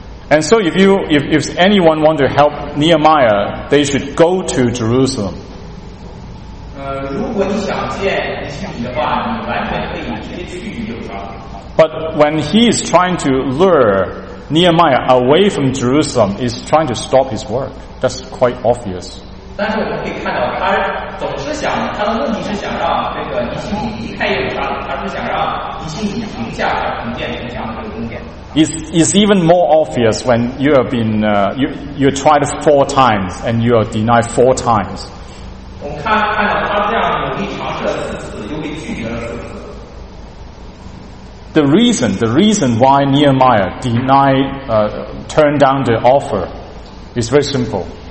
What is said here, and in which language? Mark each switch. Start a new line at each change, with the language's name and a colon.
English: And so if anyone want to help Nehemiah, they should go to Jerusalem. But when he is trying to lure Nehemiah away from Jerusalem, he's trying to stop his work. That's quite obvious.
Chinese: 但是我们可以看到他总是想他的目的是想让这个尼西米离开耶路撒冷，他是想让尼西米停下来重建城墙和宫殿。
English: It's even more obvious when you have been you tried four times and you are denied four times.
Chinese: 我们看到他这样努力尝试了四次，又被拒绝了四次。
English: The reason why Nehemiah denied, turned down the offer is very simple.